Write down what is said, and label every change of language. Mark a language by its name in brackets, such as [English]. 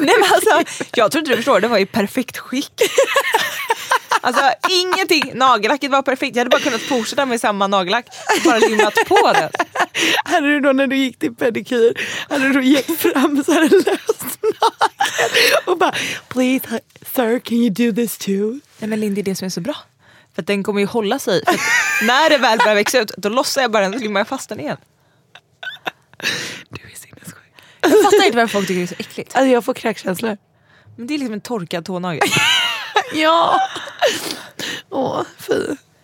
[Swedish] Nej, men alltså, jag tror inte du förstår. Den var ju perfekt skick. Alltså ingenting. Nagellacket var perfekt. Jag hade bara kunnat fortsätta med samma nagellack. Bara limmat på den. Här är du då när du gick till pedikyr. Här är du då gick fram så här löst nagel. Och bara, [English] please sir, can you do this too? [Swedish] Nej, men Lindy, det som är så bra. För att den kommer ju hålla sig. För när det väl börjar växa ut, då lossar jag bara den och glimmar jag fast den igen. Du är sinnessjuk. Jag fattar inte varför folk tycker det är så äckligt. Alltså jag får kräkkänslor. Men det är liksom en torkad tånagel. Ja. Åh, fy.